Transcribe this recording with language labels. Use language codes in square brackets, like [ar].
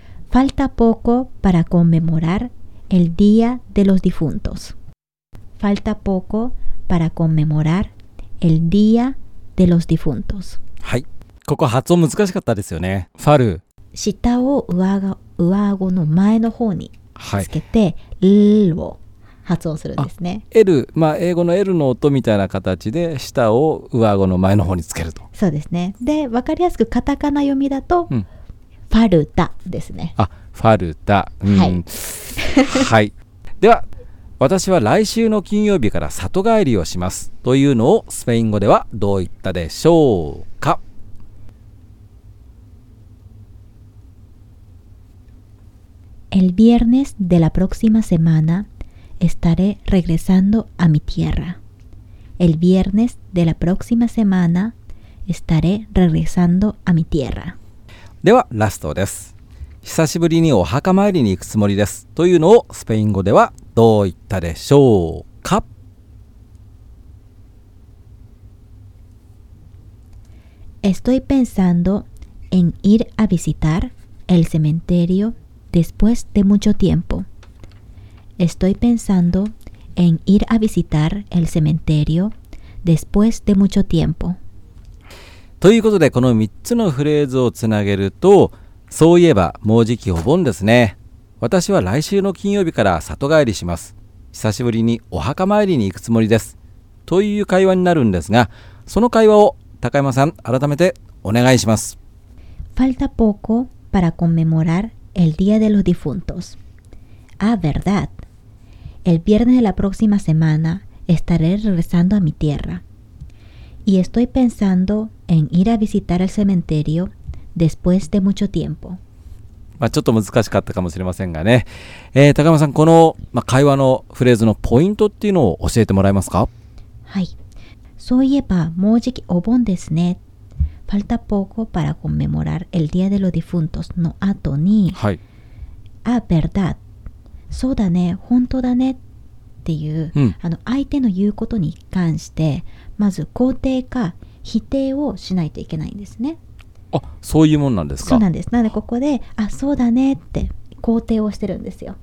[es] Falta poco para conmemorar el Día de los Difuntos. Falta poco para conmemorar el Día de los Difuntos. [ja] はい。ここ発音難しかったですよね。ファル。舌を上顎の前の方につけて、はい、ルを発音するんですね。あ、 L、 まあ、英語の L の音みたいな形で舌を上顎の前の方につけると。そうですね。で、分かりやすくカタカナ読みだと、うん、ファルタですね。あ、ファルタ、うん、はい、はい、では私は来週の金曜日から里帰りをしますというのをスペイン語ではどう言ったでしょうか？ [es] El viernes de la próxima semana estaré regresando a mi tierra. El viernes de la próxima semana estaré regresando a mi tierra. [ja] ではラストです。久しぶりにお墓参りに行くつもりです。というのをスペイン語ではどう言ったでしょうか？ [es] Estoy pensando en ir a visitar el cementerio. Después de mucho tiempo, estoy pensando en ir a visitar el cementerio después de mucho tiempo. [ja] ということで、この3つのフレーズをつなげると、そういえばもうじきお盆ですね。私は来週の金曜日から里帰りします。久しぶりにお墓参りに行くつもりです。という会話になるんですが、その会話を高山さん、改めてお願いします。 [es] Falta poco para conmemorar. El Día de los Difuntos. Ah, verdad. El viernes de la próxima semana estaré regresando a mi tierra. Y estoy pensando en ir a visitar el cementerio después de mucho tiempo. [ja] まあ、ちょっと難しかったかもしれませんがね。高山さん、この、まあ、会話のフレーズのポイントっていうのを教えてもらえますか？はい。そういえば、もうじきお盆ですね。 [es] Falta poco para conmemorar el Día de los Difuntos [ja] の後に、はい、あ、verdad、 そうだね、本当だねっていう、うん、あの相手の言うことに関してまず肯定か否定をしないといけないんですね。あ、そういうもんなんですか？そうなんです。なのでここで、あ、そうだねって肯定をしてるんですよ。